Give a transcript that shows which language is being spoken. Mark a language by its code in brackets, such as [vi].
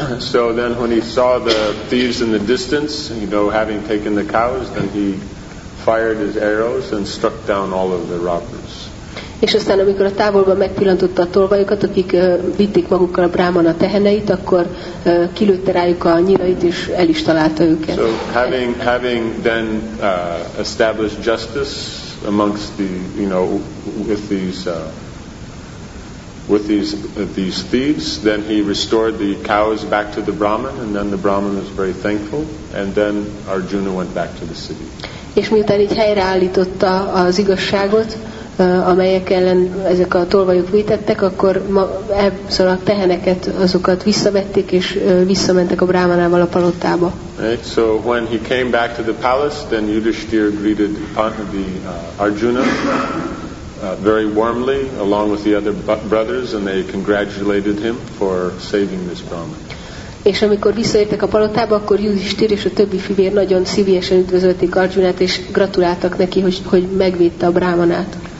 [en] So then when he saw the thieves in the distance, having taken the cows, then he fired his arrows and struck down all of the robbers. [hu] És aztán, amikor a távolban megpillantotta a tolvajokat, akik vitték magukkal a brámana a teheneit, akkor kilőtte rájuk a nyirait, és el is találta őket. [en] So having then established justice amongst the, with these thieves, then he restored the cows back to the brahman, and then the brahman was very thankful, and then Arjuna went back to the city. [hu] És miután így helyreállította az igazságot, amelyek ellen ezek a tolvajok vétettek, akkor ezzel a teheneket, azokat visszavették, és visszamentek a brámanával a palotába. [en] Right, so when he came back to the palace, then Yudhishthira greeted Arjuna very warmly, along with the other brothers, and they congratulated him for saving this brahman. [hu] És amikor visszaértek a palotába, akkor Yudhishthira és a többi fivér nagyon szívesen üdvözölték Arjunát, és gratuláltak neki, hogy megvédte a brámanát.